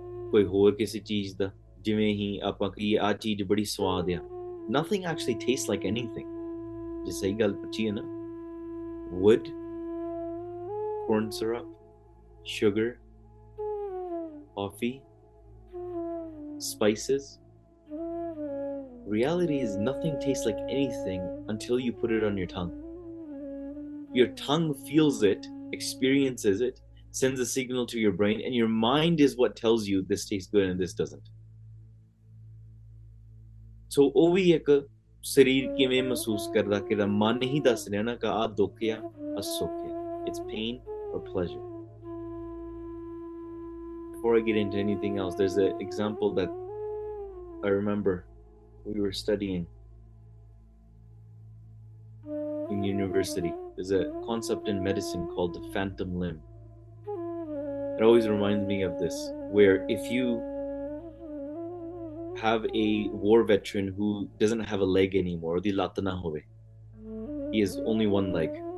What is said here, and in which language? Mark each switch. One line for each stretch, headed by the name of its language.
Punjabi: ਕੋਈ ਹੋਰ ਕਿਸੇ ਚੀਜ਼ ਦਾ ਜਿਵੇਂ ਹੀ ਆਪਾਂ ਕਹੀਏ ਆਹ ਚੀਜ਼ ਬੜੀ ਸਵਾਦ ਆ
English: nothing actually taste like anything
Punjabi: ਜੇ ਸਹੀ ਗੱਲ ਪੁੱਛੀ ਹੈ ਨਾ
English: ਵੁੱਡ corn syrup sugar Coffee, spices. Reality is nothing tastes like anything until you put it on your tongue. Your tongue feels it, experiences it, sends a signal to your brain, and your mind is what tells you this tastes good and this doesn't.
Punjabi: So, ਉਹ ਵੀ ਇੱਕ ਸਰੀਰ ਕਿਵੇਂ ਮਹਿਸੂਸ ਕਰਦਾ ਕਿ ਮਨ ਹੀ ਦੱਸ ਰਿਹਾ ਨਾ ਕਿ ਆਹ ਦੁੱਖ ਆ, ਆਹ ਸੁੱਖ ਆ.
English: It's pain or pleasure. Before I get into anything else, there's an example that I remember we were studying in university. There's a concept in medicine called the phantom limb. It always reminds me of this, where if you have a war veteran who doesn't have a leg anymore,
Punjabi: the latana hove,
English: he has only one leg.